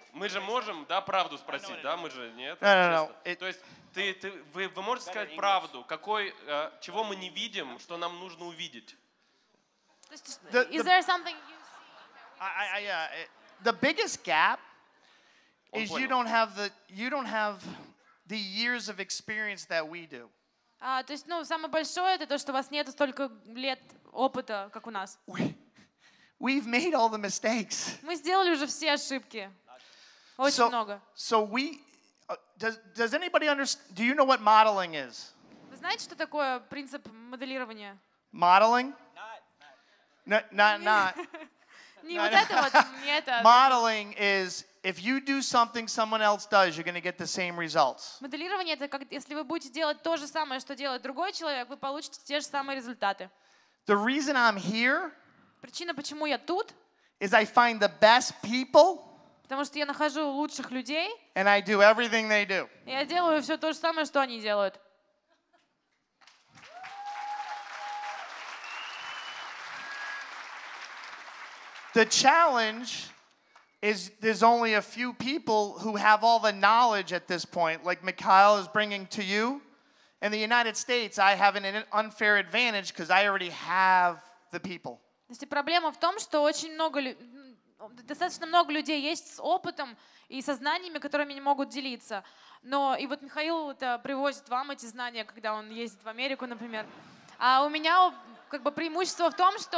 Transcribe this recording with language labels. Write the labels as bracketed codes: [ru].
[ru] Мы же можем, да, правду спросить, да? Мы же нет. То есть вы можете сказать правду, чего мы не видим, что нам нужно увидеть? [en] Is there something you see? The biggest gap is you don't have the years of experience that we do. [ru] То есть, ну, самое большое это то, что у вас нет столько лет опыта, как у нас. [en] We've made all the mistakes. [ru] Мы сделали уже все ошибки. Очень много. [en] So we does anybody understand? Do you know what modeling is? [ru] Вы знаете, что такое принцип моделирования? [en] Modeling? Not. [ru] Не вот это вот, не это. [en] Modeling is if you do something someone else does, you're going to get the same results. [ru] Моделирование это как если вы будете делать то же самое, что делает другой человек, вы получите те же самые результаты. [en] The reason I'm here. [ru] Причина, почему я тут? [en] Is I find the best people. [ru] Потому что я нахожу лучших людей. [en] And I do everything they do. [ru] Я делаю все то же самое, что они делают. [en] The challenge is there's only a few people who have all the knowledge at this point, like Mikhail is bringing to you. In the United States, I have an unfair advantage because I already have the people. [ru] Проблема в том, что очень много достаточно много людей есть с опытом и со знаниями, которыми они могут делиться. Но и вот Михаил это привозит вам эти знания, когда он ездит в Америку, например. А у меня как бы преимущество в том, что